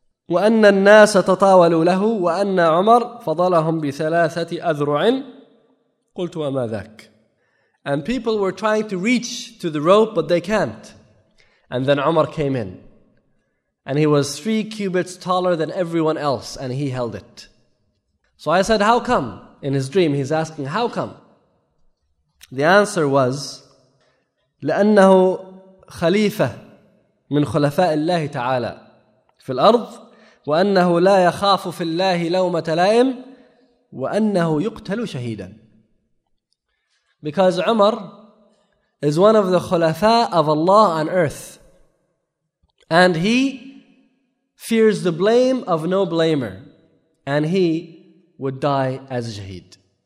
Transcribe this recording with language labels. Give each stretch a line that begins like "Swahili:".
Arabic: وَأَنَّ النَّاسَ تَطَاوَلُوا لَهُ وَأَنَّ عُمَرْ فَضَلَهُمْ بِثَلَاثَةِ أَذْرُعٍ قُلْتُ وَمَا ذَاكَ.
English: And people were trying to reach to the rope, but they can't. And then Umar came in. And he was 3 cubits taller than everyone else, and he held it. So I said, how come? In his dream, he's asking, how come? The answer was,
Arabic: لَأَنَّهُ خَلِيفَةٌ مِنْ خُلَفَاءِ اللَّهِ تَعَالَى فِي الْأَرْضِ وَأَنَّهُ لَا يَخَافُ فِي اللَّهِ لَوْمَةَ لَائِمٍ وَأَنَّهُ يُقْتَلُ شَهِيدًا.
English: Because Umar is one of the khulafa of Allah on earth, and he fears the blame of no blamer, and he would die as a shaheed.